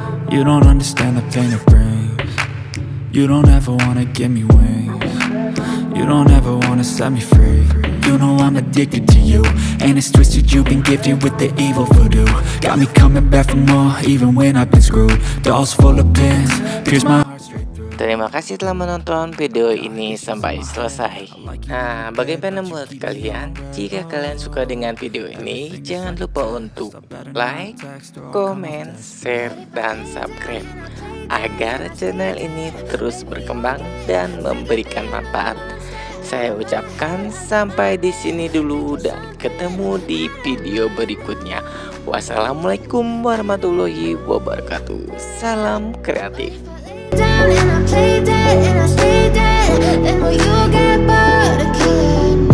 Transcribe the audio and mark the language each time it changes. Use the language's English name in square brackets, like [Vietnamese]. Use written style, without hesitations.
[English] You don't understand the pain it brings. You don't ever wanna give me wings. You don't ever wanna set me free. You know I'm addicted to you. And it's twisted, you've been gifted with the evil voodoo. Got me coming back for more, even when I've been screwed. Dolls full of pins, pierce my. [Indonesian] Terima kasih telah menonton video ini sampai selesai. Nah, bagaimana menurut kalian? Jika kalian suka dengan video ini, jangan lupa untuk like, comment, share, dan subscribe agar channel ini terus berkembang dan memberikan manfaat. Saya ucapkan sampai di sini dulu dan ketemu di video berikutnya. Wassalamualaikum warahmatullahi wabarakatuh. Salam kreatif. [English] And I play dead and I stay dead. Then will you get bored of killing?